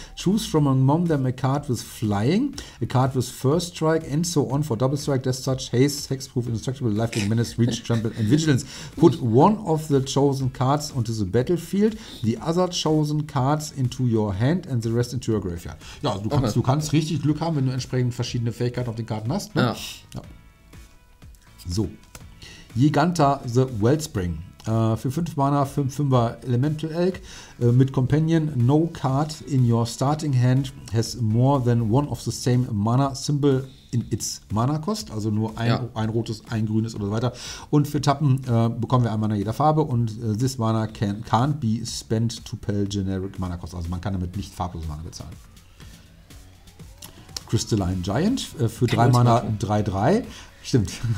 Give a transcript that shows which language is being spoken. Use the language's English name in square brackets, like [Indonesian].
[English] Choose from among them a card with flying, a card with first strike, and so on for double strike, death touch, haste, hexproof, indestructible, lifelink, menace, reach, trample, and vigilance. Put one of the chosen cards onto the battlefield, the other chosen cards into your hand, and the rest into your graveyard. [German] Ja, also du kannst richtig Glück haben, wenn du entsprechend verschiedene Fähigkeiten auf den Karten hast. Ne? Ja. So. Giganta the Wellspring. Für 5 Mana, 5-5er Elemental Elk mit Companion. [English] No card in your starting hand has more than one of the same Mana Symbol in its Mana Cost. [German] Also nur ein rotes, ein grünes oder so weiter. Und für Tappen bekommen wir ein Mana jeder Farbe. [English] Und this Mana can't be spent to pay generic Mana Cost. [German] Also man kann damit nicht farblose Mana bezahlen. Crystalline Giant für 3 Mana, 3-3. Stimmt.